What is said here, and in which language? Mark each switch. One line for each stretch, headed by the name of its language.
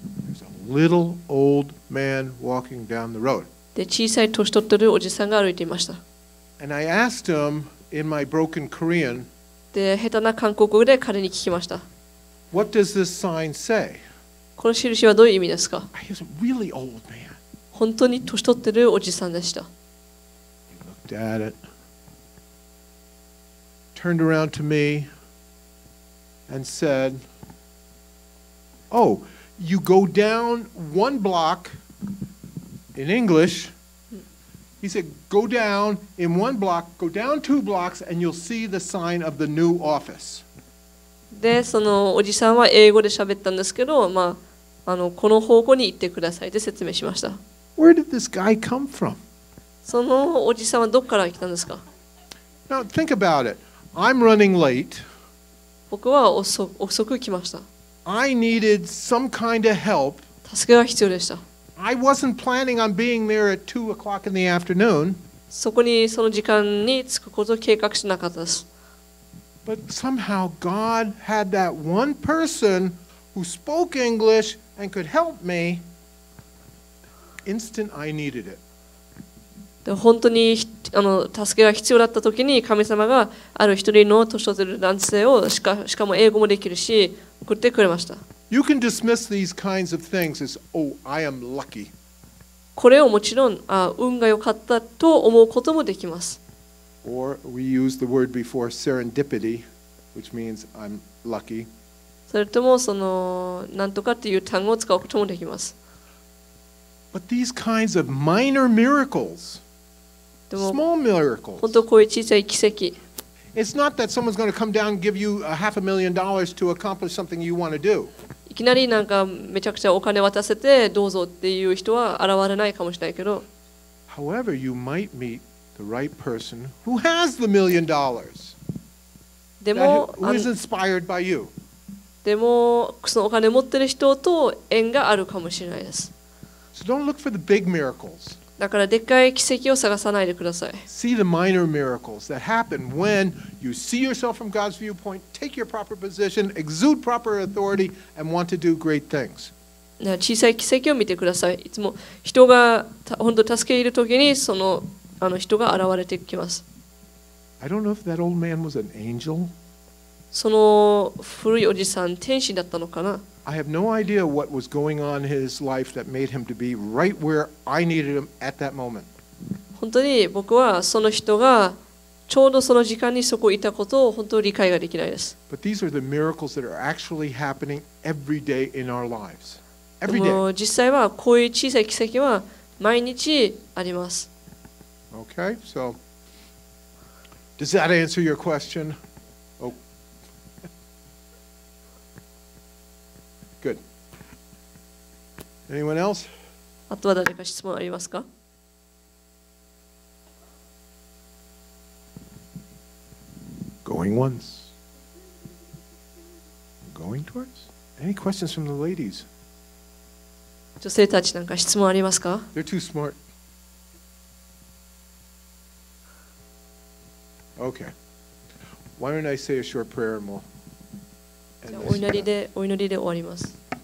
English: There's a little old man walking down the road.
Japanese: で小さい年取ってるおじさんが歩いていました。
English: And I asked him in my broken Korean.
Japanese: で下手な韓国語で彼に聞きました。
English: What does this sign say?
Japanese: この印はどういう意味ですか。
English: He was a really old man.
Japanese: 本当に年取ってるおじさんでした。
English: He looked at it. Turned around to me. And said. Oh, you go down one block in English. He said, go down in one block, go down two blocks, and you'll see the sign of the new office.
Japanese: で、そのおじさんは英語で喋ったんですけど、まあ、この方向に行ってくださいって説明しました。
English: Where did this guy come from?
Japanese: そのおじさんはどこから来たんですか?
English: Now, think about it. I'm running late.
Japanese: 僕は遅く来ました。
English: I needed some kind of help.
Japanese: 助けが必要でした。
English: I wasn't planning on being there at 2 o'clock in the afternoon.
Japanese: そこにその時間に着くことを計画してなかったです。
English: But somehow God had that one person who spoke English and could help me. Instant I needed it.
Japanese: で本当に助けが必要だった時に神様がある一人の年取ってる男性をしかも英語もできるし送ってくれました。
English: You can dismiss these kinds of things as, oh, I am lucky.
Japanese: これをもちろん運が良かったと思うこともできます。
English: Or we use the word before serendipity, which means I'm lucky.
Japanese: それともその何とかっていう単語を使うこともできます。
English: But these kinds of minor miracles, small miracles.
Japanese: 本当こういう小さい奇跡。
English: It's not that someone's going to come down and give you a $500,000 to accomplish something you want to do.
Japanese: いきなりなんかめちゃくちゃお金渡せてどうぞっていう人は現れないかもしれないけど。
English: However, you might meet the right person who has the $1,000,000.
Japanese: でも、
English: who is inspired by you.
Japanese: でも、そのお金持ってる人と縁があるかもしれないです。
English: So don't look for the big miracles.
Japanese: だからでっかい奇跡を探さないでください。
English: See the minor miracles that happen when you see yourself from God's viewpoint, take your proper position, exude proper authority, and want to do great things.
Japanese: 小さい奇跡を見てください。いつも人が本当助けているときにその人が現れてきます。
English: I don't know if that old man was an angel.
Japanese: その古いおじさん、天使だったのかな。
English: I have no idea what was going on in his life that made him to be right where I needed him at that moment.
Japanese: 本当に僕はその人がちょうどその時間にそこにいたことを本当に理解ができないです。
English: But these are the miracles that are actually happening every day in our lives. Every day.
Japanese: 実際はこういう小さい奇跡は毎日あります。
English: Okay, so does that answer your question? Oh, good. Anyone else?
Japanese: あとは誰か質問ありますか？
English: Going once. Going twice. Any questions from the ladies?
Japanese: 女性たちなんか質問ありますか？
English: They're too smart. Okay. Why don't I say a short prayer and we'll end this.
Japanese: じゃあお祈りで終わります。